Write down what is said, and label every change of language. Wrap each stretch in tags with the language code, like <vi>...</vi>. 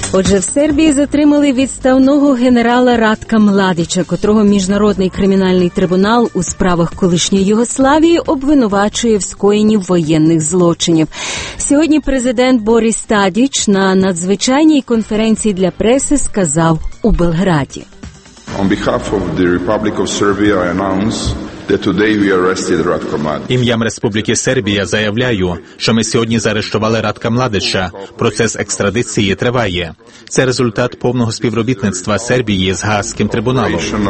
<uk>Отже, в Сербії затримали відставного генерала Ратка Младіча, котрого Міжнародний кримінальний трибунал у справах колишньої Югославії обвинувачує в скоєнні воєнних злочинів. Сьогодні президент Борис Тадіч на надзвичайній конференції для преси сказав у Белграді.</uk> <en>On behalf of the Republic of Serbia, I announce that today we arrested Ratko Mladić.</en> <uk>Ім'ям Республіки Сербія заявляю, що ми сьогодні заарештували Ратка Младіча. Процес екстрадиції триває. Це результат повного співробітництва Сербії з Гаазьким трибуналом.</uk>